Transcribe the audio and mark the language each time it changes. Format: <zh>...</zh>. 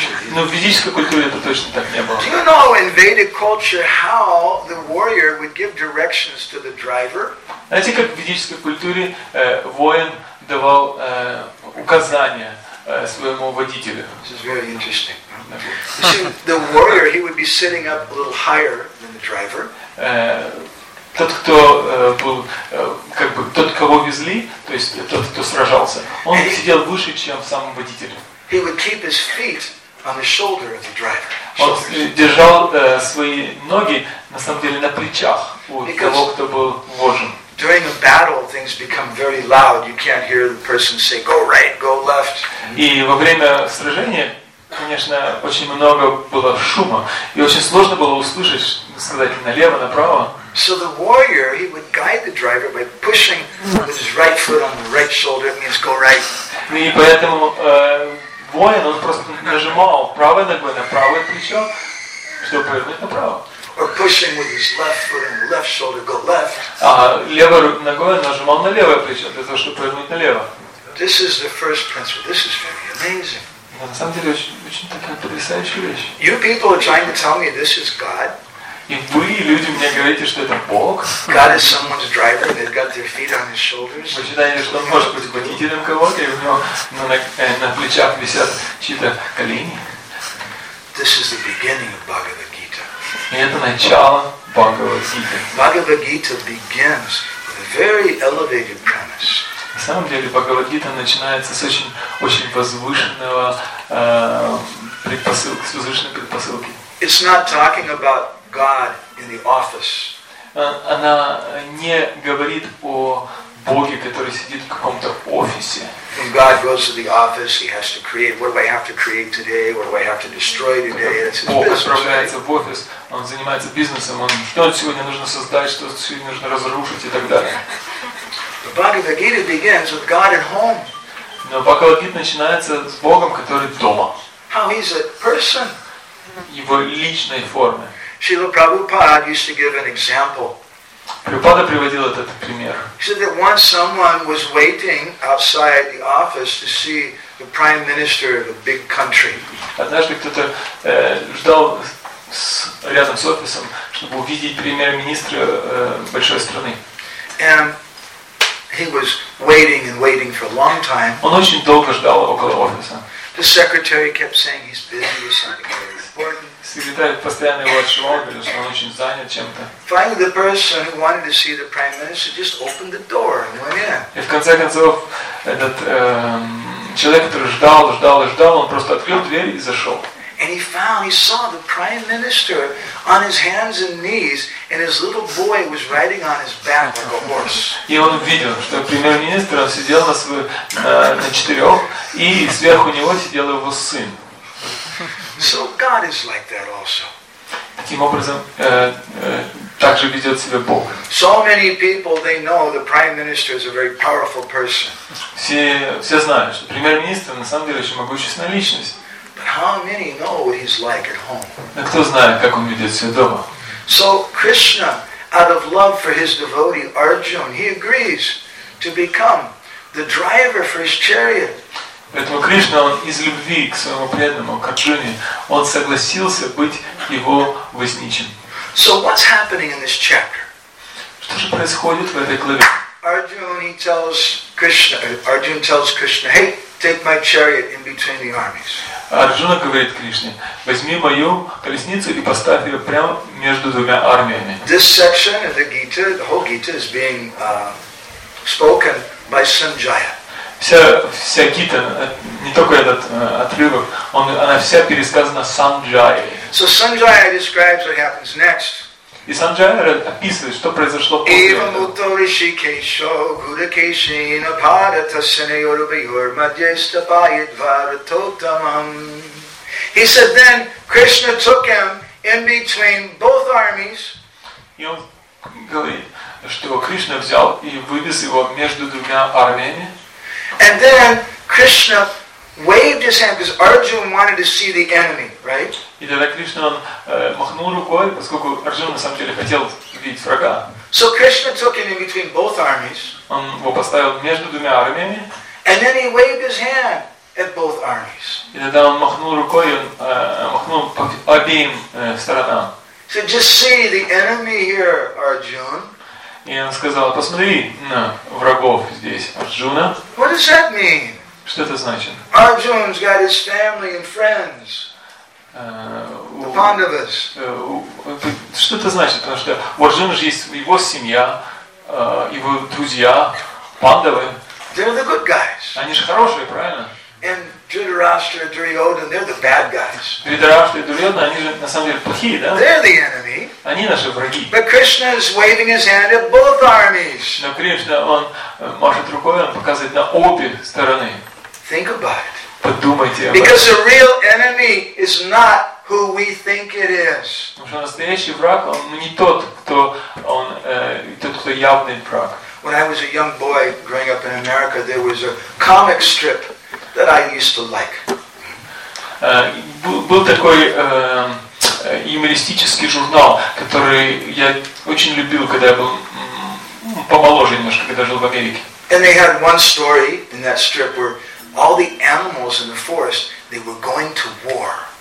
<ru>Но в ведической культуре это точно так не было.</ru> <en>Do you know in Vedic culture how the warrior would give directions to the driver?</en> <ru>Знаете, как в ведической культуре воин давал указания своему водителю?</ru> <en>This is very interesting. The warrior, he would be sitting up a little higher than the driver.</en> <ru>Тот, кто был, как бы, тот, кого везли, то есть тот, кто сражался, он сидел выше, чем сам водитель.</ru> <en>He would keep his feet on the shoulder of the driver.</en> <ru>Он держал свои ноги, на самом деле, на плечах у того, кто был вожен.</ru> <en>During a battle, things become very loud. You can't hear the person say, "Go right, go left."</en> <ru>И во время сражения, конечно, очень много было шума, и очень сложно было услышать, сказать, налево, направо.</ru> <en>So the warrior, he would guide the driver by pushing with his right foot on the right shoulder. It means go right.</en> <ru>И поэтому воин, он просто нажимал правой ногой на правое плечо, чтобы повернуть направо.</ru> <en>Or pushing with his left foot on the left shoulder, go left.</en> <ru>А левой ногой нажимал на левое плечо для того, чтобы повернуть налево.</ru> <en>This is the first principle. This is very amazing.</en> <ru>Но на самом деле очень такая потрясающая вещь.</ru> <en>You people are trying to tell me this is God.</en> <ru>И вы, люди, мне говорите, что это Бог.</ru> <en>God is someone's driver, they've got their feet on his shoulders.</en> <ru>Вы считаете, что он может быть водителем кого-то, и у него на плечах висят чьи-то колени?</ru> <en>This is the beginning of Bhagavad Gita.</en> <ru>И это начало Бхагавад Гиты.</ru> <en>Bhagavad Gita begins with a very elevated premise.</en> <ru>На самом деле Бхагавад Гита начинается с очень возвышенного предпосылки, с возвышенной предпосылки.</ru> <en>It's not talking about God in the office.</en> <ru>Она не говорит о Боге, который сидит в каком-то офисе.</ru> <en>When God goes to the office, he has to create. What do I have to create today? What do I have to destroy today? It's his business.</en> <ru>Бог отправляется в офис, он занимается бизнесом, он что сегодня нужно создать, что сегодня нужно разрушить и так далее.</ru> <en>The Bhagavad Gita begins with God at home.</en> <ru>Но Бхагавад Гита начинается с Богом, который дома.</ru> <en>How he's a person.</en> <ru>Его личной формы.</ru> <en>Srila Prabhupada used to give an example.</en> <ru>Prabhupada приводил этот пример.</ru> <en>He said that once someone was waiting outside the office to see the prime minister of a big country.</en> <ru>Однажды кто-то ждал рядом с офисом, чтобы увидеть премьер-министра большой страны.</ru> <en>And he was waiting and waiting for a long time.</en> <ru>Он очень долго ждал около офиса.</ru> <en>The secretary kept saying he's busy with something very important.</en> <ru>Секретарь постоянно его отшивал, говорил, что он очень занят чем-то.</ru> <en>Finally, the person who wanted to see the prime minister just opened the door and went in.</en> <ru>И в конце концов этот человек, который ждал, он просто открыл дверь и зашел.</ru> <en>And he saw the prime minister on his hands and knees, and his little boy was riding on his back like a horse.</en> <ru>И он увидел, что премьер-министр сидел на четырех, и сверху него сидел его сын.</ru> <en>So God is like that also.</en> <ru>таким образом также ведет себя Бог.</ru> <en>So many people, they know the prime minister is a very powerful person.</en> <ru>Все знают, что премьер-министр на самом деле очень могущественная личность.</ru> <en>But how many know what he's like at home?</en> <ru>Но кто знает, как он ведет себя дома?</ru> <en>So Krishna, out of love for his devotee Arjuna, he agrees to become the driver for his chariot.</en> <ru>Поэтому Кришна, он из любви к своему преданному Арджуне, он согласился быть его возничим.</ru> <en>So what's happening in this chapter?</en> <ru>Что же происходит в этой главе?</ru> <en>Arjuna tells Krishna, "Hey, take my chariot in between the armies."</en> <ru>Арджуна говорит Кришне: "Возьми мою колесницу и поставь ее прямо между двумя армиями."</ru> <en>This section of the Gita, the whole Gita, is being spoken by Sanjaya.</en> <ru>Вся Гита, не только этот отрывок, она вся пересказана Санджайей.</ru> <en>So Sanjaya describes what happens next.</en> <ru>И Санджая описывает, что произошло после этого.</ru> <sa>Ива муто ришикешо гудакешина парата синеюрубиюр маджеста байдваратотамам.</sa> <en>He said, then Krishna took him in between both armies.</en> <ru>И он говорит, что Кришна взял и вывез его между двумя армиями.</ru> <en>And then Krishna waved his hand because Arjuna wanted to see the enemy, right?</en> <ru>И тогда Кришна махнул рукой, поскольку Арджуна на самом деле хотел видеть врага.</ru> <en>So Krishna took him in between both armies.</en> <ru>Он его поставил между двумя армиями.</ru> <en>And then he waved his hand at both armies.</en> <ru>И тогда он махнул рукой, он махнул по обеим сторонам.</ru> <en>So just see the enemy here, Arjuna.</en> <ru>И он сказал: "Посмотри на врагов здесь, Арджуна."</ru> <en>What does that mean?</en> <ru>Что это значит?</ru> <en>Arjuna's got his family and friends. The Pandavas.</en> <ru>Что это значит? Потому что у Арджуны же есть его семья, его друзья, Пандавы.</ru> <en>They're the good guys.</en> <ru>Они же хорошие, правильно?</ru> <en>And Dhritarashtra and Duryodhana, they're the bad guys.</en> <ru>Dhritarashtra и Duryodhana, они же на самом деле плохие, да?</ru> <en>They're the enemy.</en> <ru>Они наши враги.</ru> <en>But Krishna is waving his hand at both armies.</en> <ru>Но Кришна, он машет рукой, он показывает на обе стороны.</ru> <en>Think about it.</en> <ru>Подумайте об этом.</ru> <en>Because the real enemy is not who we think it is.</en> <ru>Потому что настоящий враг, он не тот, кто он, тот, кто явный враг.</ru> <en>When I was a young boy growing up in America, there was a comic strip that I used to like.</en> <ru>Был такой юмористический журнал, который я очень любил, когда я был помоложе немножко, когда жил в Америке.</ru> <en>And they had one story in that strip where all the animals in the forest, they were going to war.</en>